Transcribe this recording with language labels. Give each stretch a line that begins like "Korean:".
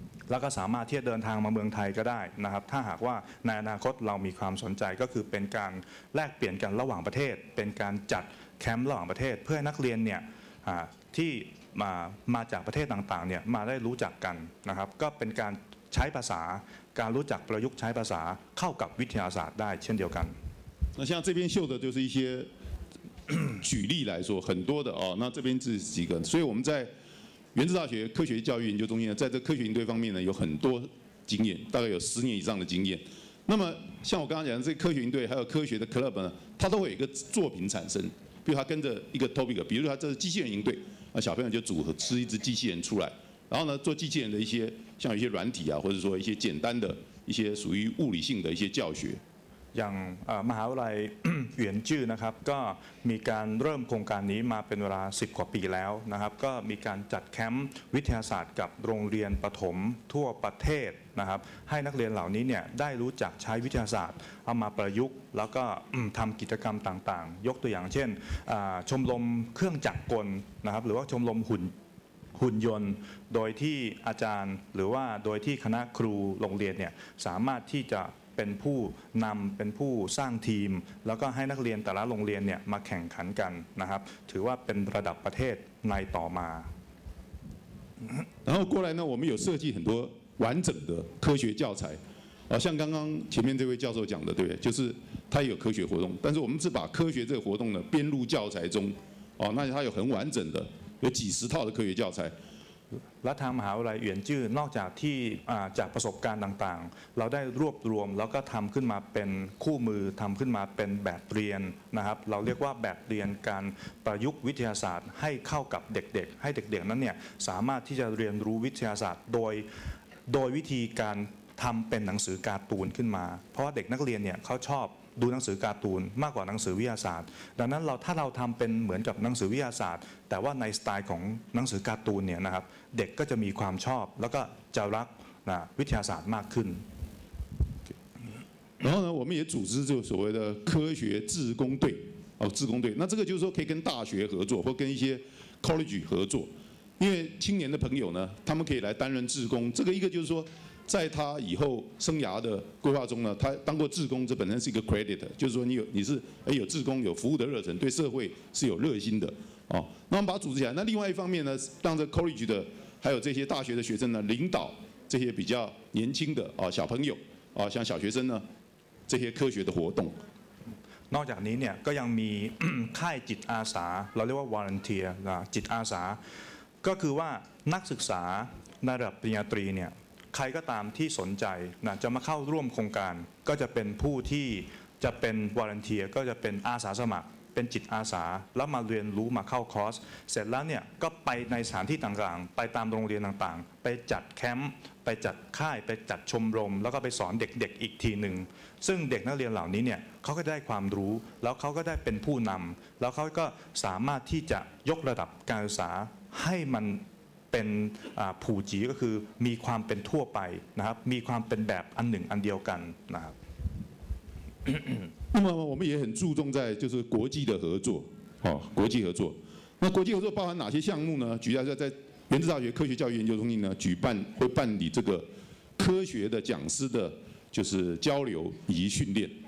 Thai: แล้วก็สามารถที่จะเดินทางมาเมืองไทยก็ได้นะครับถ้าหากว่าในอนาคตเรามีความสนใจก็คือเป็นการแลกเปลี่ยนกันระหว่างประเทศเป็นการจัดแคมป์ระหว่างประเทศเพื่อให้นักเรียนเนี่ยที่มาจากประเทศต่างๆเนี่ยมาได้รู้จักกันนะครับก็เป็นการใช้ภาษาการรู้จักประยุกต์ใช้ภาษาเข้ากับวิทยาศาสตร์ได้เช่นเดียวกัน
Chinese: 那像这边秀的就是一些举例来说很多的哦，那这边是几个，所以我们在原子大学科学教育研究中心呢，在这科学营队方面呢有很多经验，大概有十年以上的经验。那么像我刚刚讲的这科学营队，还有科学的 club 呢，它都会有一个作品产生，比如它跟着一个 topic， 比如说它这是机器人营队，那小朋友就组合吃一只机器人出来，然后呢做机器人的一些像一些软体啊，或者说一些简单的一些属于物理性的一些教学。
Thai: อย่างมหาวิทยาลัยเหวียนจื้อนะครับก็มีการเริ่มโครงการนี้มาเป็นเวลา10กว่าปีแล้วนะครับก็มีการจัดแคมป์วิทยาศาสตร์กับโรงเรียนประถมทั่วประเทศนะครับให้นักเรียนเหล่านี้เนี่ยได้รู้จักใช้วิทยาศาสตร์เอามาประยุกต์แล้วก็ทํากิจกรรมต่างๆยกตัวอย่างเช่นชมรมเครื่องจักรกลนะครับหรือว่าชมรม หุ่นยนต์โดยที่อาจารย์หรือว่าโดยที่คณะครูโรงเรียนเนี่ยสามารถที่จะเป็นผู้นำเป็นผู้สร้างทีมแล้วก็ให้นักเรียนแต่ละโรงเรียนเนี่ยมาแข่งขันกันนะครับถือว่าเป็นระดับประเทศในต่อมา
Chinese: 然后过来呢我们有设计很多完整的科学教材像刚刚前面这位教授讲的对不对就是他有科学活动但是我们是把科学这个活动呢编入教材中那他有很完整的有几十套的科学教材
Thai: และทางมหาวิทยาลัยเหวียนจื้อนอกจากที่จากประสบการณ์ต่างๆเราได้รวบรวมแล้วก็ทำขึ้นมาเป็นคู่มือทำขึ้นมาเป็นแบบเรียนนะครับเราเรียกว่าแบบเรียนการประยุกต์วิทยาศาสตร์ให้เข้ากับเด็กๆให้เด็กๆนั้นเนี่ยสามารถที่จะเรียนรู้วิทยาศาสตร์ โดยวิธีการทำเป็นหนังสือการ์ตูนขึ้นมาเพราะเด็กนักเรียนเนี่ยเขาชอบดูหนังสือการ์ตูนมากกว่าหนังสือวิทยาศาสตร์ดังนั้นเราถ้าเราทำเป็นเหมือนกับหนังสือวิทยาศาสตร์แต่ว่าในสไตล์ของหนังสือการ์ตูนเนี่ยนะครับเด็กก็จะมีความชอบแล้วก็จะรักนะวิทยาศาสตร์มากขึ้น
Chinese: 然后呢我们也组织就所谓的科学志工队哦志工队那这个就是说可以跟大学合作或跟一些 college 合作因为青年的朋友呢，他们可以来担任志工。这个一个就是说，在他以后生涯的规划中呢，他当过志工，这本身是一个 credit， 就是说你是有志工，有服务的热忱，对社会是有热心的哦。那我们把它组织起来。那另外一方面呢，让这 college 的还有这些大学的学生呢，领导这些比较年轻的啊小朋友啊，像小学生呢，这些科学的活动。
Thai: นอกจากนี้เนี่ยก็ยังมีค่ายจิตอาสาเราเรียกว่า volunteer นะจิตอาสาก็คือว่านักศึกษาในระดับปริญญาตรีเนี่ยใครก็ตามที่สนใจนะจะมาเข้าร่วมโครงการก็จะเป็นผู้ที่ จะเป็น volunteer ก็จะเป็นอาสาสมัครเป็นจิตอาสาแล้วมาเรียนรู้มาเข้าคอร์สเสร็จแล้วเนี่ยก็ไปในสถานที่ต่างๆไปตามโรงเรียนต่างๆไปจัดแคมป์ไปจัดค่ายไปจัดชมรมแล้วก็ไปสอนเด็กๆอีกทีนึงซึ่งเด็กนักเรียนเหล่านี้เนี่ยเขาก็ได้ความรู้แล้วเขาก็ได้เป็นผู้นำแล้วเขาก็สามารถที่จะยกระดับการศึกษาให้มันเป็นผู้จีก็คือมีความเป็นทั่วไปนะครับมีความเป็นแบบอันหนึ่งอันเดียวกันนะครับ
Chinese: 那么我们也很注重在就是国际的合作，哦，国际合作。那国际合作包含哪些项目呢？举例在原子大学科学教育研究中心呢，举办会办理这个科学的讲师的，就是交流以及训练。